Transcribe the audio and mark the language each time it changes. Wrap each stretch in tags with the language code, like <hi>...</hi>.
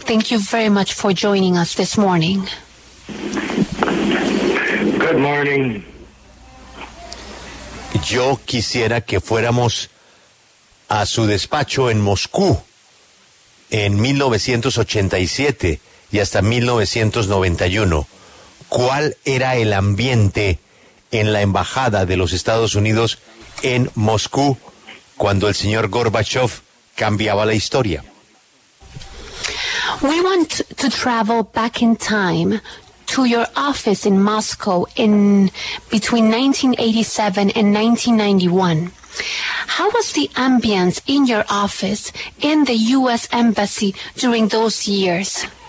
<en>Thank you very much for joining us this morning. Good morning.</en> <es>Yo quisiera que fuéramos a su despacho en Moscú en 1987 y hasta 1991. ¿Cuál era el ambiente en la embajada de los Estados Unidos en Moscú cuando el señor Gorbachev cambiaba la historia?</es> <en>We want to travel back in time to your office in Moscow in between 1987 and 1991. How was the ambience in your office in the U.S. Embassy during those years?</en>